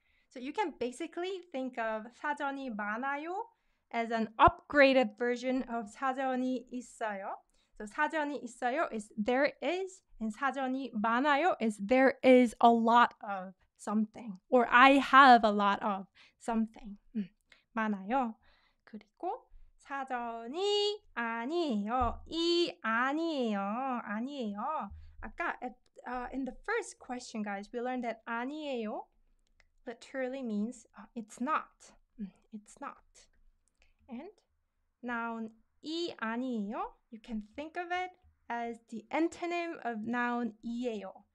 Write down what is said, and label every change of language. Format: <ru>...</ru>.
<en>So you can basically think of</en> <ko>사전이 많아요</ko> <en>as an upgraded version of</en> <ko>사전이 있어요.</ko> <en>So</en> <ko>사전이 있어요</ko> <en>is there is, and</en> <ko>사전이 많아요</ko> <en>is there is a lot of something, or I have a lot of something.</en> <ko>많아요. 그리고 사전이 아니에요. 이 아니에요. 아니에요. 아까</ko> <en>in the first question, guys, we learned that 아니에요 literally means it's not. It's not. And noun</en> <ko>이 아니에요.</ko> <en>You can think of it as the antonym of noun 이에요.</en>